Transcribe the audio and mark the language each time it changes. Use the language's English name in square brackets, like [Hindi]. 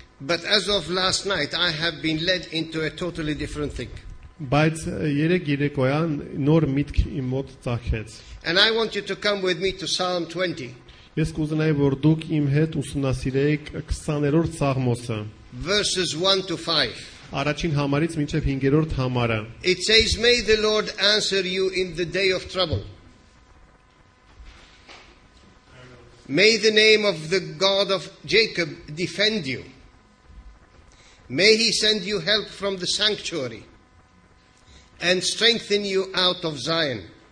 [English] But as of last night I have been led into a totally different thing. [Armenian] Բայց երեկոյան նոր միտք իմ մոտ ծագեց. [English] And I want you to come with me to Psalm 20. [Armenian] Ես կուզենայի որ դուք իմ հետ ուսումնասիրեիք 20-րդ ծաղմոսը. [English] Verses 1 to 5. [Armenian] Առաջին համարից մինչև 5-րդ համարը. [English] It says, may the Lord answer you in the day of trouble. May the name of the God of Jacob defend you. May he send you help from the sanctuary and strengthen you out of Zion.